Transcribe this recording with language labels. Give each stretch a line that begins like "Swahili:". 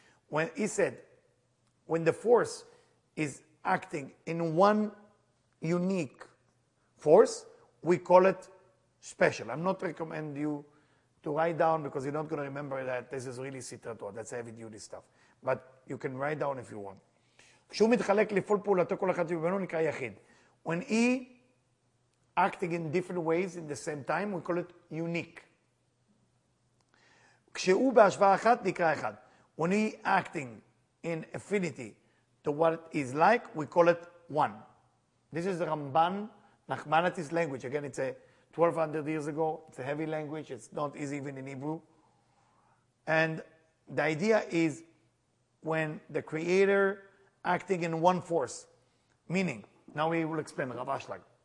English: When he said, when the force is acting in one unique force, we call it special. I'm not recommend you to write down because you're not going to remember that this is really Sitra Torah. That's heavy duty stuff. But you can write down if you want.
Hebrew: כשהוא מתחלק לפעול פעולתו כל אחד שבמנו נקרא יחיד.
English: When he acting in different ways in the same time, we call it unique.
Hebrew: כשהוא בהשוואה אחת נקרא אחד.
English: When he acting in affinity to what is like, we call it one. This is the Ramban, Nachmanides language. Again, it's a 1200 years ago. It's a heavy language. It's not easy even in Hebrew. And the idea is when the Creator acting in one force, meaning, now we will explain, Rav Ashlag.